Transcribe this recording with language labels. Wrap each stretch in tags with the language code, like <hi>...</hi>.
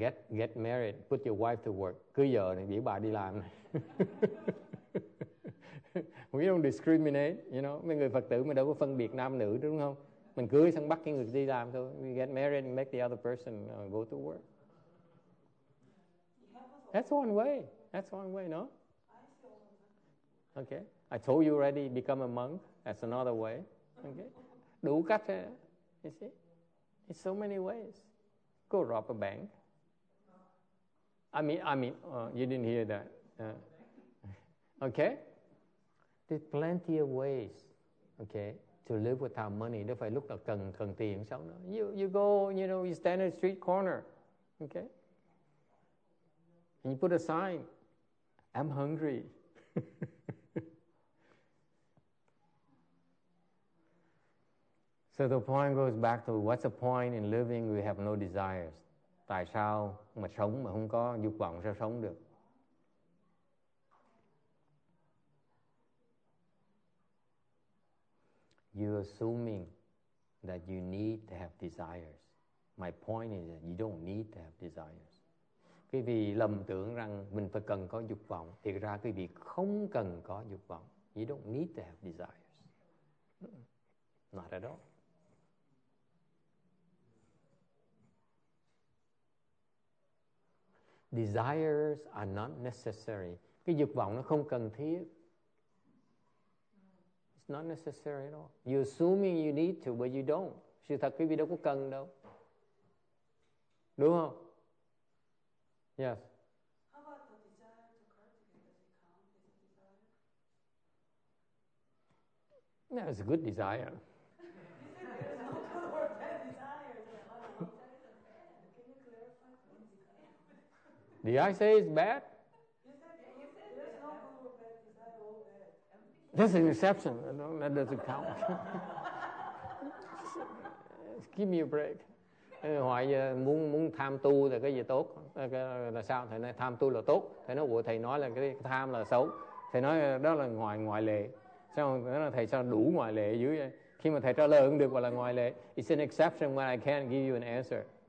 <en>Get married, put your wife to work.</en> <vi>Cưới vợ này, biểu bà đi làm này.</vi> <en>We don't discriminate, you know.</en> <vi>Mấy người Phật tử mà đâu có phân biệt nam nữ, đúng không? Mình cưới xong bắt cái người đi làm thôi.</vi> <en>We get married, make the other person go to work. That's one way. That's one way, no? Okay. I told you already, become a monk. That's another way. Okay.</en> <vi>Đủ cách,</vi> <en>you see? There's so many ways. Go rob a bank. I mean, you didn't hear that. Okay. There's plenty of ways, okay, to live without money.</en> <vi>Đâu phải lúc nào cần tiền sao nữa.</vi> <en>You go, you know, you stand at a street corner, okay? And you put a sign, I'm hungry. So the point goes back to what's the point in living we have no desires?</en> <vi>Tại sao mà sống mà không có dục vọng sao sống được?</vi> <en>You're assuming that you need to have desires. My point is that you don't need to have desires.</en> <vi>Quý vị lầm tưởng rằng mình phải cần có dục vọng. Thực ra quý vị không cần có dục vọng.</vi> <en>You don't need to have desires. Not at all. Desires are not necessary.</en> <vi>Cái dục vọng nó không cần thiết.</vi> <en>Not necessary at all. You're assuming you need to, but you don't.</en> <vi>Sự thật quý vị đâu có cần đâu. Đúng không?</vi> <en>Yes. How about the desire to cultivate? That's a good desire. Did I say it's bad? That's an exception. I don't, that doesn't count. Give me a break.</en> <vi>Hỏi muốn tham tu là cái gì tốt? Là sao? Thầy nói tham tu là tốt. Thầy nói, ủa thầy nói là cái tham là xấu. Thầy nói đó là ngoại lệ. Sao nói là thầy sao đủ ngoại lệ dữ vậy? Khi mà thầy trả lời không được gọi là ngoại lệ.</vi> <en>It's an exception when I can't give you an answer.</en>